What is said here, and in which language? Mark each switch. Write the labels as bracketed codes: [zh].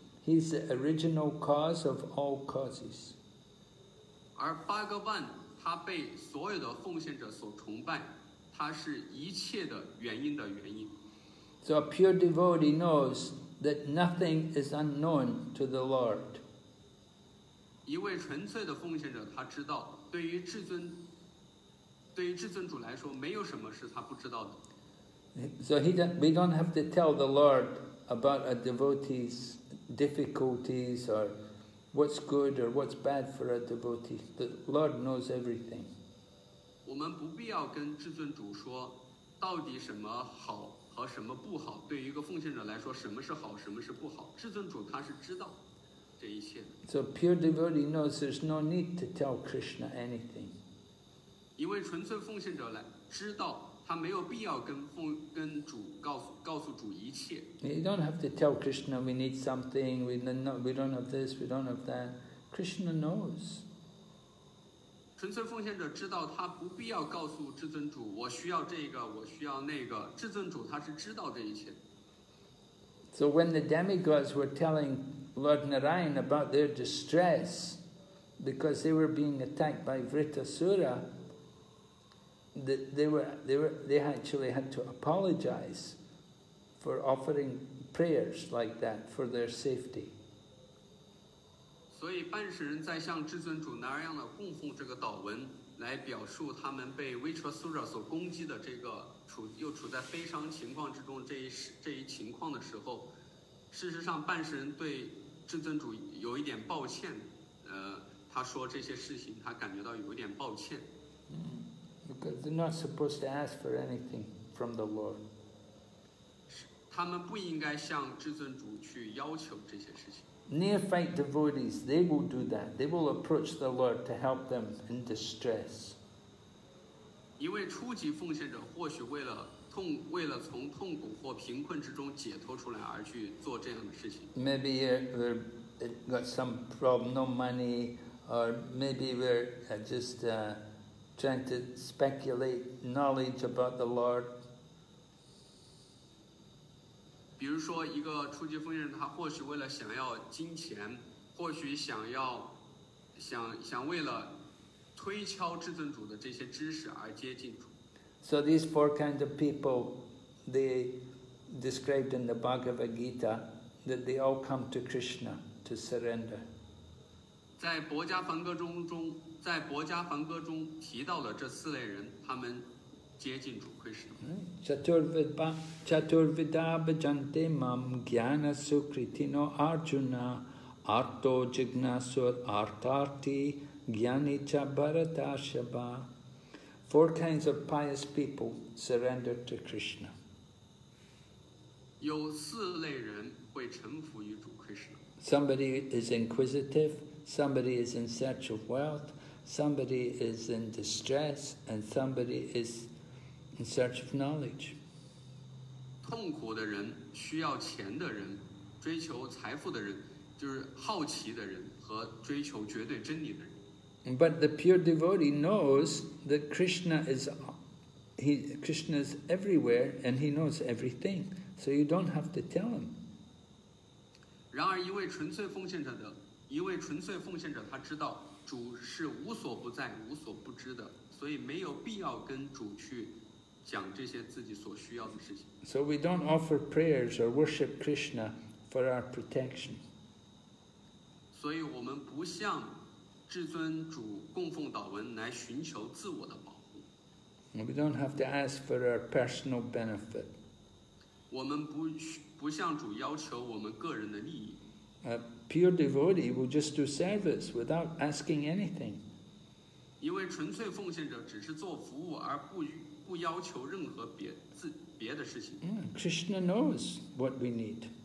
[en] He's the original cause of all causes. [zh] 而 Bhagavan 他被所有的奉献者所崇拜，他是一切的原因的原因。 [en] So a pure devotee knows that nothing is unknown to the Lord. [zh] 一位纯粹的奉献者，他知道对于至尊。对于至尊主来说，没有什么是他不知道的。 [en] So we don't have to tell the Lord about a devotee's difficulties or what's good or what's bad for a devotee. The Lord knows everything. [zh] 我们不必要跟至尊主说，到底什么好和什么不好。对于一个奉献者来说，什么是好，什么是不好，至尊主他是知道这一切的。 [en] So pure devotee knows there's no need to tell Krishna anything. [zh] 一位纯粹奉献者来知道，他没有必要跟主告诉主一切。 [en] You don't have to tell Krishna we need something. We don't have this. We don't have that. Krishna knows. [zh] 纯粹奉献者知道，他不必要告诉至尊主我需要这个，我需要那个。至尊主他是知道这一切。 [en] So when the demigods were telling Lord Narayan about their distress, because they were being attacked by Vritasura. They actually had to apologize for offering prayers like that for their safety. [zh] So, 半世人在向至尊主那样的供奉这个祷文，来表述他们被维彻苏惹所攻击的这个又处在悲伤情况之中这一情况的时候，事实上，半世人对至尊主有一点抱歉。他说这些事情，他感觉到有一点抱歉。 [en] Because they're not supposed to ask for anything from the Lord. [zh] 他们不应该向至尊主去要求这些事情。 [en] Neophyte devotees, they will do that. They will approach the Lord to help them in distress. [zh] 一位初级奉献者或许为了从痛苦或贫困之中解脱出来而去做这样的事情。 [en] Maybe we've got some problem, no money, or maybe we're just. Trying to speculate knowledge about the Lord. [zh] 比如说，一个初级奉献者，他或许为了想要金钱，或许想为了推敲至尊主的这些知识而接近主。 [en] So these four kinds of people, they described in the Bhagavad Gita, that they all come to Krishna to surrender. [zh] 在《薄伽梵歌》中，在《薄伽梵歌》中提到了这四类人，他们接近主 Krishna. [sa] Chaturvidha bhajante mam jnana sukritino Arjuna arto jignasur artarti jnani cha bharata shabha. [en] Four kinds of pious people surrender to Krishna. [zh] 有四类人会臣服于主 Krishna. [en] Somebody is inquisitive, somebody is in search of wealth, somebody is in distress, and somebody is in search of knowledge. [zh] 痛苦的人，需要钱的人，追求财富的人，就是好奇的人和追求绝对真理的人。 [en] But the pure devotee knows that Krishna is everywhere and he knows everything, so you don't have to tell him. [zh] 然而一位纯粹奉献者他知道主是无所不在无所不知的，所以没有必要跟主去讲这些自己所需要的事情。 [en] So we don't offer prayers or worship Krishna for our protection. [zh] 所以我们不像至尊主供奉祷文来寻求自我的保护。 [en] We don't have to ask for our personal benefit. [zh] 我们不向主要求我们个人的利益。 [en] A pure devotee will just do service without asking anything. [zh] 一位纯粹奉献者只是做服务而不要求任何别的事情。 [en] Krishna knows what we need.